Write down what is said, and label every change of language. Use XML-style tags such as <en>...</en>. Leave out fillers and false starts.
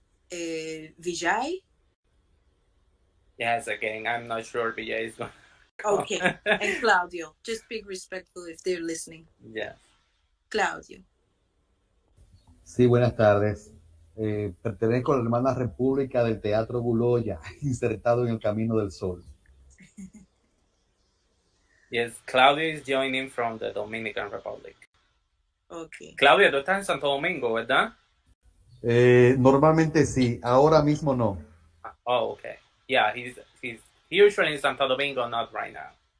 <en>Vijay? Yes, again, I'm not sure Vijay is going. Okay, and Claudio, just be respectful if they're listening. Yes. Claudio.</en> <es>Sí, buenas tardes. Pertenezco a la Hermana República del Teatro Buloya, insertado en el Camino del Sol.</es> <en>Yes, Claudio is joining from the Dominican Republic. Okay.</en> <es>Claudio, tú estás en Santo Domingo, ¿verdad? Normalmente sí, ahora mismo no.</es> <en>Oh, okay. Yeah, he's usually in Santo Domingo, not right now.</en>